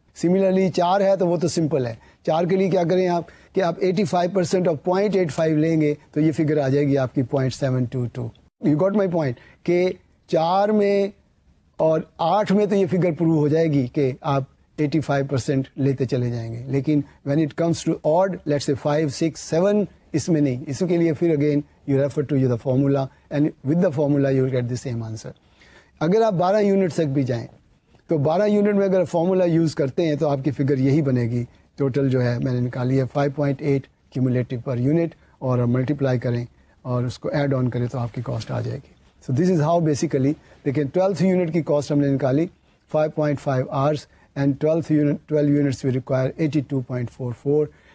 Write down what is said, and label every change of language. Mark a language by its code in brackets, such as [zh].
[ur] Similarly 4 ہے تو وہ تو سمپل ہے, 4 کے لیے کیا کریں آپ کہ آپ 85% آف 0.85 لیں گے تو یہ فگر آ جائے گی آپ کی 0.722. [en] you got my point, [ur] کہ 4 میں اور 8 میں تو یہ فگر پروو ہو جائے گی کہ آپ 85% لیتے چلے جائیں گے, لیکن [en] when it comes to odd let's say [ur] 5, 6, 7 اس میں نہیں. اس کے لیے پھر [en] Again you refer to your the formula and with the formula you will get the same answer. [ur] اگر آپ 12 یونٹ تک بھی جائیں تو 12 یونٹ میں اگر فارمولا یوز کرتے ہیں تو آپ کی فگر یہی بنے گی. ٹوٹل جو ہے میں نے نکالی ہے 5.8 کیومولیٹو پر یونٹ, اور ملٹی پلائی کریں اور اس کو ایڈ آن کریں تو آپ کی کاسٹ آ جائے گی. [en] so this is how basically, [ur] لیکن 12th یونٹ کی کاسٹ ہم نے نکالی [en] 5.5 آرس, and 12 units we require 82.44.